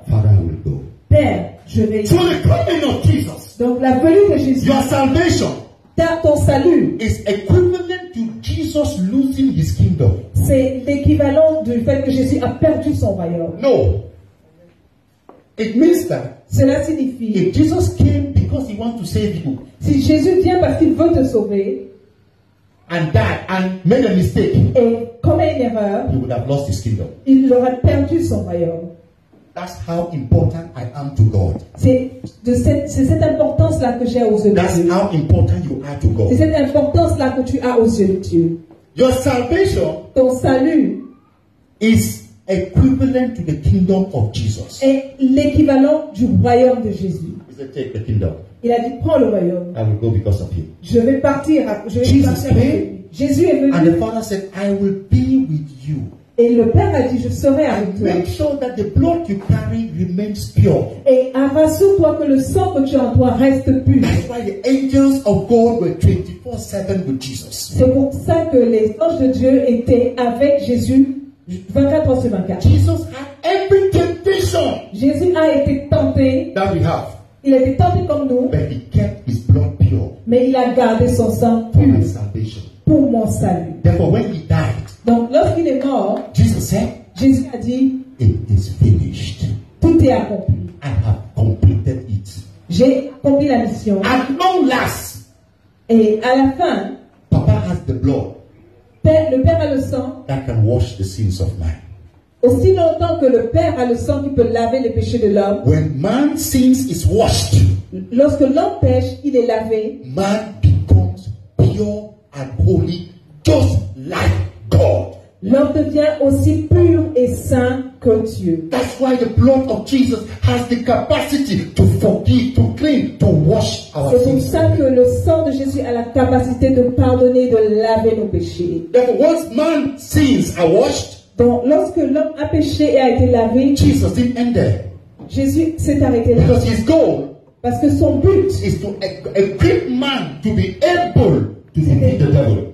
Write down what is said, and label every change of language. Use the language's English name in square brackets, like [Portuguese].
[English] Father, I will go. [French] Père, je vais. [English] To the coming of Jesus. [French] Donc la venue de Jésus. [English] Your salvation. [French] Ton salut [English] is equivalent to Jesus losing his kingdom. [French] C'est l'équivalent du fait que Jésus a perdu son royaume. [English] No. It means that. [French] Cela signifie. [English] If Jesus came because he wants to save you. [French] Si Jésus vient parce qu'il veut te sauver. [English] And died and made a mistake. [French] Et commet une erreur. [English] He would have lost his kingdom. [French] Il aurait perdu son royaume. [English] That's how important I am to God. [French] C'est cette importance là que j'ai aux yeux de Dieu. [English] That's how important you are to God. [French] C'est cette importance là que tu as aux yeux de Dieu. [English] Your salvation. [French] Ton salut. [English] Is equivalent to the kingdom of Jesus. [French] Est l'équivalent du royaume de Jésus. [English] He said, take the kingdom. [French] Il a dit, prends le royaume. [English] I will go because of him. [French] Je vais partir. Jésus est venu. [English] And the Father said, I will be with you. [French] Et le Père a dit, je serai avec toi. [English] Make sure that the blood you carry remains pure. [French] Et assure-toi que le sang que tu as en toi reste pur. [English] That's why the angels of God were 24/7 with Jesus. [French] C'est pour ça que les anges de Dieu étaient avec Jésus 24/24. [English] Jesus had every temptation. [French] Jésus a été tenté. [English] That we have. [French] Il a été tenté comme nous. [English] But he kept his blood pure. [French] Mais il a gardé son sang pur. [English] For my salvation. [French] Pour mon salut. [English] Therefore, when he died. [French] Donc lorsqu'il est mort, [English] Jesus said, [French] Jésus a dit, [English] it is finished. [French] Tout est accompli. [English] I have completed it. [French] J'ai accompli la mission. [English] At long last. [French] Et à la fin, [English] Papa has the blood. [French] Le Père a le sang. [English] That can wash the sins of man. [French] Aussi longtemps que le Père a le sang qui peut laver les péchés de l'homme. [English] When man's sins is washed. [French] Lorsque l'homme pêche, il est lavé. [English] Man becomes pure and holy, just like. [French] L'homme devient aussi pur et saint que Dieu. [English] That's why the blood of Jesus has the capacity to forgive, to clean, to wash our sins. [French] C'est pour ça que le sang de Jésus a la capacité de pardonner, de laver nos péchés. [English] Then once man's sins are washed, [French] donc lorsque l'homme a péché et a été lavé, [English] Jesus didn't end there. [French] Jésus s'est arrêté là. [English] Because his goal, [French] parce que son but, [English] is to equip man to be able to defeat the devil.